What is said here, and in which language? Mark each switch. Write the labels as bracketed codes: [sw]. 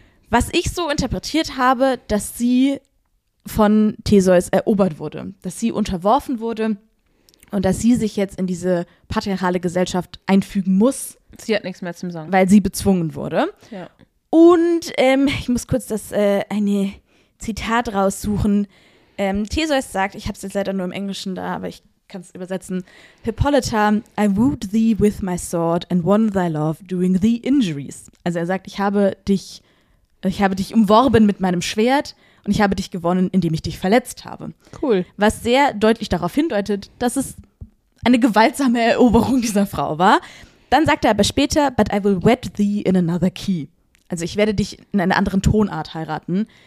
[de] Was ich so interpretiert habe, dass sie von Theseus erobert wurde, dass sie unterworfen wurde und dass sie sich jetzt in diese patriarchale Gesellschaft einfügen muss. Sie hat nichts mehr zum Sagen. Weil sie bezwungen wurde. Ja. Und ich muss kurz eine Zitat raussuchen. Theseus sagt, ich habe es jetzt leider nur im Englischen da, aber ich kann es übersetzen. [en] Hippolyta, I wooed thee with my sword and won thy love during the injuries. [de] Also er sagt, ich habe dich umworben mit meinem Schwert und ich habe dich gewonnen, indem ich dich verletzt habe. Cool. Was sehr deutlich darauf hindeutet, dass es eine gewaltsame Eroberung dieser Frau war. Dann sagt er aber später, [en] but I will wed thee in another key. [de] Also ich werde dich in einer anderen Tonart heiraten.